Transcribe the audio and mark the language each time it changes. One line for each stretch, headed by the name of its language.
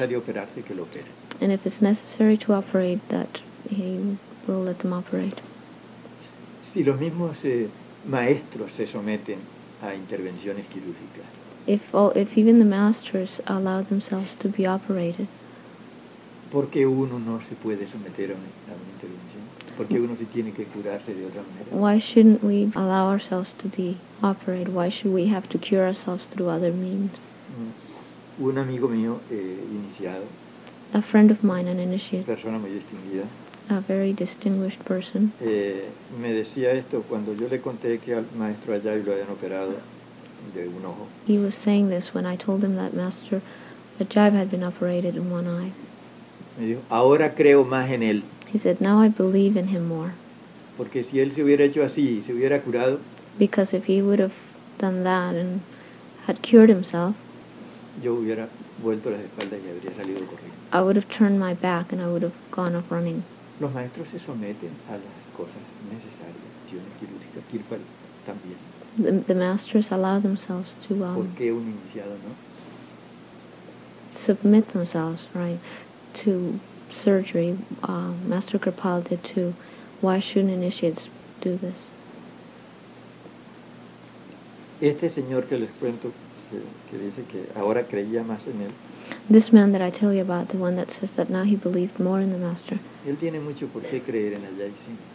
English: And if it's necessary to operate, that he will let them operate.
Spanish: Si los mismos maestros se someten a intervenciones quirúrgicas.
English: If even the masters allow themselves to be operated.
Spanish: ¿Por qué uno no se puede someter a una intervención? Porque uno se tiene que curarse de otra manera.
English: Why shouldn't we allow ourselves to be operated? Why should we have to cure ourselves through other means?
Spanish: Un amigo mío, iniciado.
English: A friend of mine, an initiate.
Spanish: Persona muy distinguida.
English: A very distinguished person.
Spanish: Me decía esto cuando yo le conté que al maestro allá lo habían operado de un ojo.
English: He was saying this when I told him that Master Ajive had been operated in one eye.
Spanish: Me dijo, ahora creo más en él.
English: He said, now I believe in him more.
Spanish: Porque si él se hubiera hecho así y se hubiera curado.
English: Because if he would have done that and had cured himself.
Spanish: Yo hubiera vuelto las espaldas y habría salido corriendo.
English: I would have turned my back and I would have gone off running.
Spanish: Los maestros se someten a las cosas necesarias. Tiene quirúrgica, Kirpal también.
English: The masters allow themselves to...
Spanish: ¿Por qué un iniciado no?
English: Submit themselves, right, to... surgery, Master Kripal did too. Why shouldn't initiates do this?
Spanish: Este señor que les cuento, que dice que ahora creía más en él.
English: This man that I tell you about, the one that says that now he believed more in the Master.
Spanish: Él tiene mucho por qué creer en el Jai Singh.